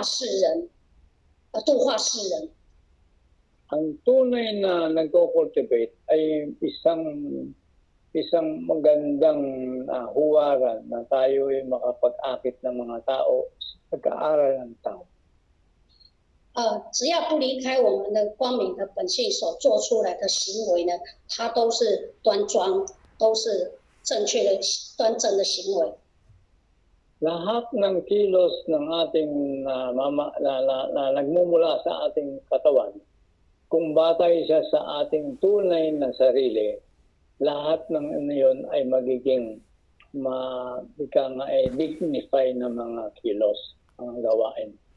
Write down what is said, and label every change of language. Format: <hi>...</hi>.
<zh>一个真正的修道人呢，他斋庄中正呢，他真的是可以去化世人，度化世人。</zh> <tl>Ang tunay na nagko-cultivate ay isang magandang huwaran na tayo ay makapag-akit ng mga tao, pag-aaral ng tao.</tl> <zh>只要不离开我们的光明的本性所做出来的行为呢，它都是端庄，都是正确的、端正的行为。</zh> <tl>Lahat ng kilos ng ating nagmumula sa ating katawan, kung batay siya sa ating tunay na sarili, lahat ng iyon ay magiging dignify ng mga kilos, ang gawain.</tl>